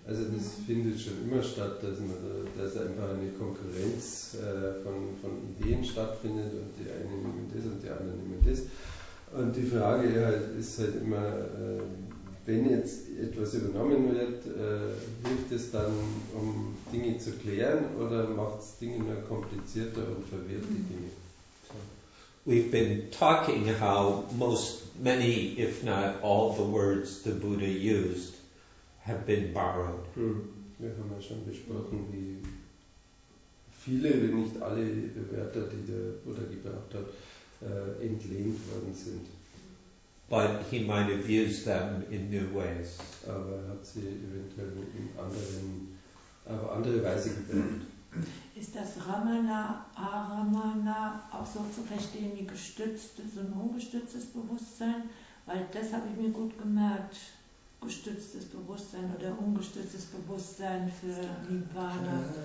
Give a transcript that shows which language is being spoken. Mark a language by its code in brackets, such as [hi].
[de] Also das findet schon immer statt, dass einfach eine Konkurrenz von Ideen stattfindet und die eine nehmen das und die andere nehmen das. Und die Frage halt, ist halt immer, wenn jetzt etwas übernommen wird, hilft es dann, um Dinge zu klären, oder macht es Dinge nur komplizierter und verwirrt die Dinge? [en] We've been talking how many, if not all, the words the Buddha used have been borrowed. [de] Wir haben ja schon besprochen, wie viele, wenn nicht alle Wörter, die der Buddha gebraucht hat, entlehnt worden sind. [en] But he might have used them in new ways. [de] Aber er hat sie eventuell in anderen, auf andere Weise gebraucht. Ist das Ramana, Aramana auch so zu verstehen wie gestütztes und ungestütztes Bewusstsein? Weil das habe ich mir gut gemerkt, gestütztes Bewusstsein oder ungestütztes Bewusstsein für Nibbana.